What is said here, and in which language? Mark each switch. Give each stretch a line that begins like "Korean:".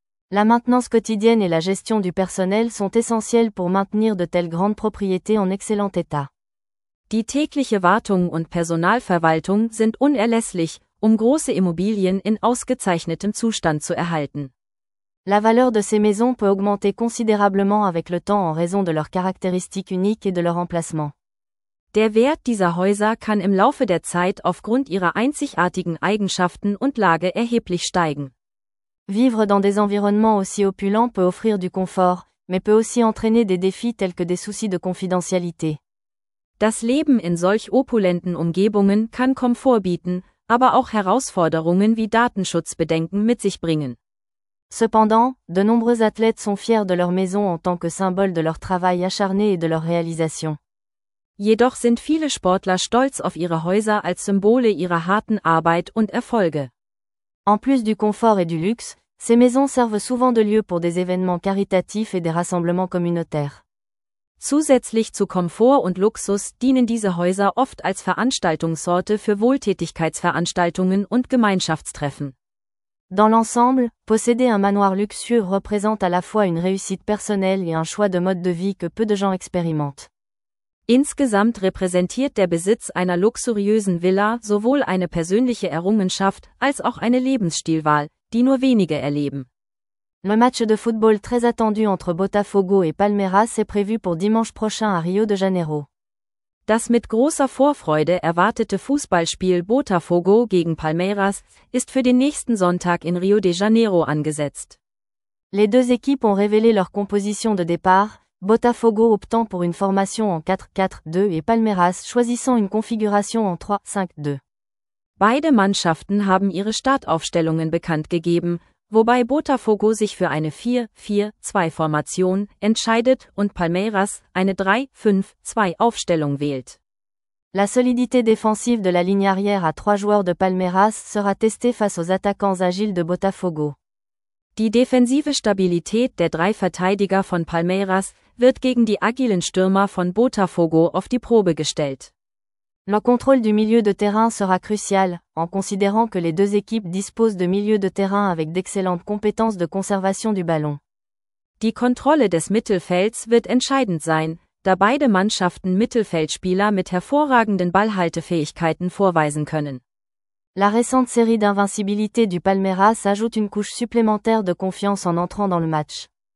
French: La maintenance quotidienne et la gestion du personnel sont essentielles pour maintenir de telles grandes propriétés en excellent état.
German: Die tägliche Wartung und Personalverwaltung sind unerlässlich, um große Immobilien in ausgezeichnetem Zustand zu erhalten.
French: La valeur de ces maisons peut augmenter considérablement avec le temps en raison de leurs caractéristiques uniques et de leur emplacement.
German: Der Wert dieser Häuser kann im Laufe der Zeit aufgrund ihrer einzigartigen Eigenschaften und Lage erheblich steigen.
French: Vivre dans des environnements aussi opulents peut offrir du confort, mais peut aussi entraîner des défis tels que des soucis de confidentialité.
German: Das Leben in solch opulenten Umgebungen kann Komfort bieten, aber auch Herausforderungen wie Datenschutzbedenken mit sich bringen.
French: Cependant, de nombreux athlètes sont fiers de leur maison en tant que symbole de leur travail acharné et de leur réalisation.
German: Jedoch sind viele Sportler stolz auf ihre Häuser als Symbole ihrer harten Arbeit und Erfolge.
French: En plus du confort et du luxe, ces maisons servent souvent de lieu pour des événements caritatifs et des rassemblements communautaires.
German: Zusätzlich zu Komfort und Luxus dienen diese Häuser oft als Veranstaltungsorte für Wohltätigkeitsveranstaltungen und Gemeinschaftstreffen.
French: Dans l'ensemble, posséder un manoir luxueux représente à la fois une réussite personnelle et un choix de mode de vie que peu de gens expérimentent.
German: Insgesamt repräsentiert der Besitz einer luxuriösen Villa sowohl eine persönliche Errungenschaft als auch eine Lebensstilwahl, die nur wenige erleben.
French: Le match de football très attendu entre Botafogo et Palmeiras est prévu pour dimanche prochain à Rio de Janeiro.
German: Das mit großer Vorfreude erwartete Fußballspiel Botafogo gegen Palmeiras ist für den nächsten Sonntag in Rio de Janeiro angesetzt.
French: Les deux équipes ont révélé leur composition de départ, Botafogo optant pour une formation en 4-4-2 et Palmeiras choisissant une configuration en 3-5-2.
German: Beide Mannschaften haben ihre Startaufstellungen bekannt gegeben, wobei Botafogo sich für eine 4-4-2-Formation entscheidet und Palmeiras eine 3-5-2-Aufstellung wählt.
French: La solidité défensive de la ligne arrière à trois joueurs de Palmeiras sera testée face aux attaquants agiles de Botafogo.
German: Die defensive Stabilität der drei Verteidiger von Palmeiras wird gegen die agilen Stürmer von Botafogo auf die Probe gestellt.
French: Le contrôle du milieu de terrain sera crucial, en considérant que les deux équipes disposent de milieux de terrain avec d'excellentes compétences de conservation du ballon.
German: Die Kontrolle des Mittelfelds wird entscheidend sein, da beide Mannschaften Mittelfeldspieler mit hervorragenden Ballhaltefähigkeiten vorweisen können.
French: La récente série d'invincibilité du Palmeiras ajoute une couche supplémentaire de confiance en entrant dans le match.